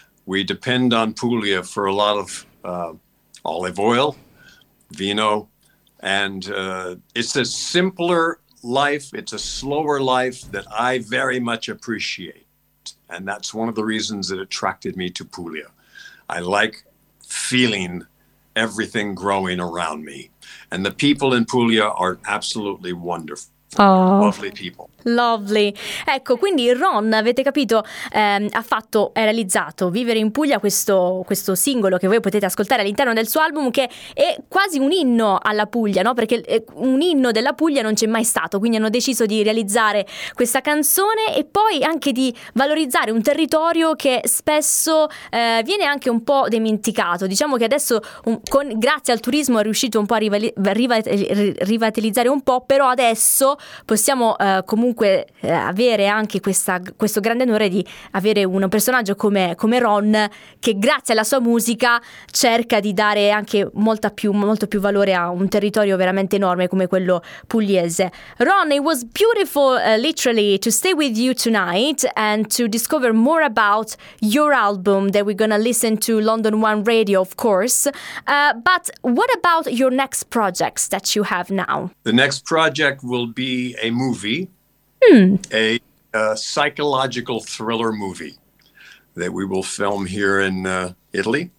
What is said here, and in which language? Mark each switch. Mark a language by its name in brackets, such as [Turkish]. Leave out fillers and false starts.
[English] We depend on Puglia for a lot of olive oil, vino, and it's a simpler life, it's a slower life that I very much appreciate. And that's one of the reasons that attracted me to Puglia. I like feeling everything growing around me. And the people in Puglia are absolutely wonderful. Oh, lovely people. Lovely. [Italian] Ecco, quindi Ron, avete capito, ha realizzato Vivere in Puglia, questo singolo che voi potete ascoltare all'interno del suo album, che è quasi un inno alla Puglia, no? Perché un inno della Puglia non c'è mai stato, quindi hanno deciso di realizzare questa canzone e poi anche di valorizzare un territorio che spesso viene anche un po' dimenticato. Diciamo che adesso grazie al turismo è riuscito un po' a rivitalizzare un po', però adesso possiamo comunque avere anche questo grande onore di avere un personaggio come Ron, che grazie alla sua musica cerca di dare anche molto più valore a un territorio veramente enorme come quello pugliese. [English] Ron, it was beautiful literally to stay with you tonight and to discover more about your album that we're gonna listen to London One Radio, of course. But what about your next projects that you have now? The next project will be a movie, a psychological thriller movie that we will film here in Italy.